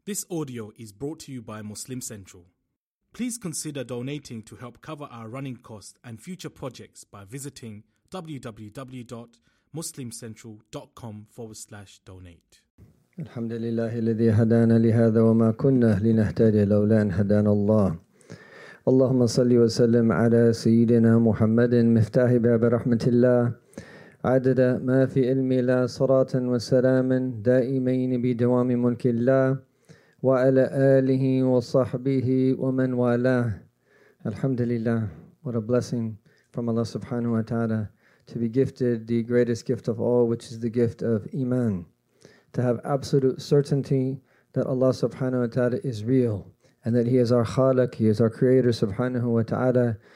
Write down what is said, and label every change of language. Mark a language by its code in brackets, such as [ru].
[en] This audio is brought to you by Muslim Central. Please consider donating to help cover our running costs and future projects by visiting www.muslimcentral.com/donate. [ar] Alhamdulillah, الذي هدانا لهذا وما كنا لنهتدي لولا أن هدانا الله. اللهم صل وسلم على سيدنا محمد مفتاح باب رحمة الله. عدد ما في علمي لا صراطا وسلاما دائمين بدوام ملك الله. وعلى آله وصحبه ومن والاه. الحمد لله. [en] What a blessing from Allah subhanahu wa ta'ala to be gifted the greatest gift of all, which is the gift of Iman. To have absolute certainty that Allah subhanahu wa ta'ala is real and that He is our Khalik, He is our Creator subhanahu wa ta'ala.